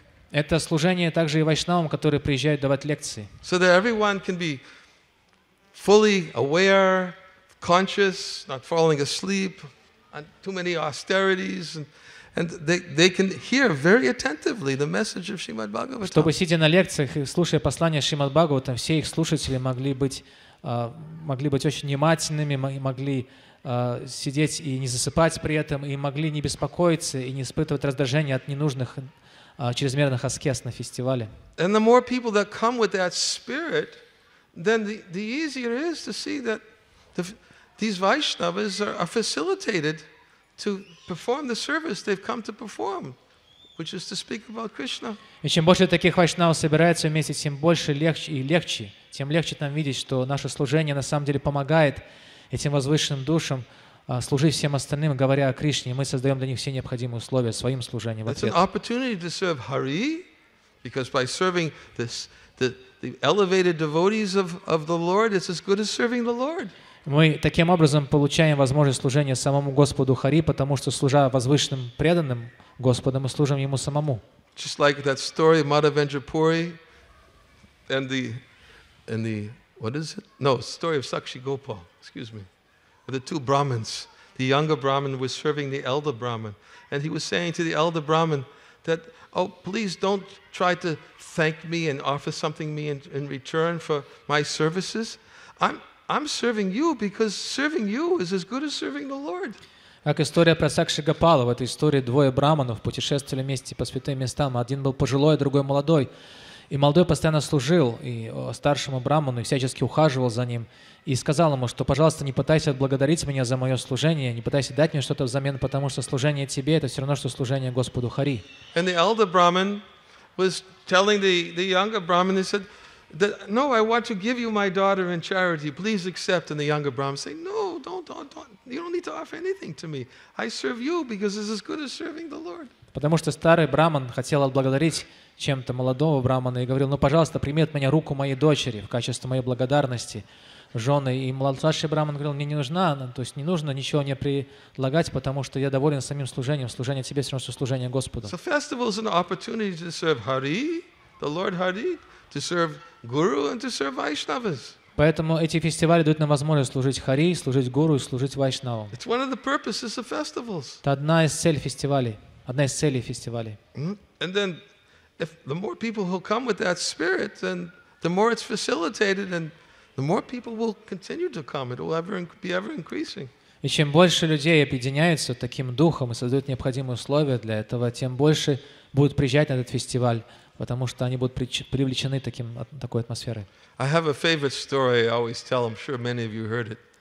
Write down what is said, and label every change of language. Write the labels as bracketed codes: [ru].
[ru] Это служение также и вайшнавам, которые приезжают давать лекции. [en] So that everyone can be fully aware, conscious, not falling asleep, too many austerities, and they can hear very attentively the message of Shrimad Bhagavatam. [ru] Чтобы сидя на лекциях и слушая послания Шримад Бхагаватам, все их слушатели могли быть очень внимательными, могли сидеть и не засыпать при этом, и могли не беспокоиться и не испытывать раздражения от ненужных чрезмерных аскез на фестивале. [en] And the more people that come with that spirit, then the easier it is to see that these Vaishnavas are facilitated to perform the service they've come to perform, which is to speak about Krishna. [ru] И чем больше таких вайшнавов собирается вместе, тем больше легче и легче, тем легче нам видеть, что наше служение на самом деле помогает этим возвышенным душам служить всем остальным, говоря о Кришне. Мы создаем для них все необходимые условия своим служением в ответ. [en] It's an opportunity to serve Hari, because by serving this, the, The elevated devotees of the Lord, it's as good as serving the Lord. [ru] Мы таким образом получаем возможность служения самому Господу Хари, потому что, служа возвышенным преданным Господом, мы служим Ему самому. [en] Just like that story of Madhavendrapuri and the what is it? No, story of Sakshi Gopal, excuse me. The two Brahmins. The younger Brahmin was serving the elder Brahmin. And he was saying to the elder Brahmin that, oh, please don't try to thank me and offer something to me in return for my services. I'm serving you because serving you is as good as serving the Lord. [ru] Как история про Сакши Гопала. В этой истории двое браманов путешествовали вместе по святым местам. Один был пожилой, другой молодой. И молодой постоянно служил и старшему браману, и всячески ухаживал за ним. И сказал ему, что, пожалуйста, не пытайся отблагодарить меня за мое служение, не пытайся дать мне что-то взамен, потому что служение тебе — это все равно, что служение Господу Хари. [en] And the elder Brahmin was telling the younger Brahmin, he said, that, no, I want to give you my daughter in charity. Please accept. And the younger Brahmin said, no, don't. You don't need to offer anything to me. I serve you because it's as good as serving the Lord. [ru] Потому что старый Браман хотел отблагодарить чем-то молодого Брамана и говорил, ну, пожалуйста, прими от меня руку моей дочери в качестве моей благодарности, жены. И младший Браман говорил, мне не нужна она, то есть не нужно ничего мне предлагать, потому что я доволен самим служением, служение тебе, все равно, что служение Господу. [en] So festival is an opportunity to serve Hari, the Lord Hari, to serve Guru and to serve Vaishnavas. [ru] Поэтому эти фестивали дают нам возможность служить Хари, служить Гуру и служить Вайшнавам. [en] It's one of the purposes of festivals. [ru] Это одна из целей фестивалей. Одна из целей фестивалей. [en] And then, if the more people who come with that spirit, then the more it's facilitated, and the more people will continue to come. It will be ever increasing. [ru] И чем больше людей объединяются таким духом и создают необходимые условия для этого, тем больше будут приезжать на этот фестиваль, потому что они будут привлечены такой атмосферой. [en] I have a favorite story I always tell. I'm sure many of you heard it.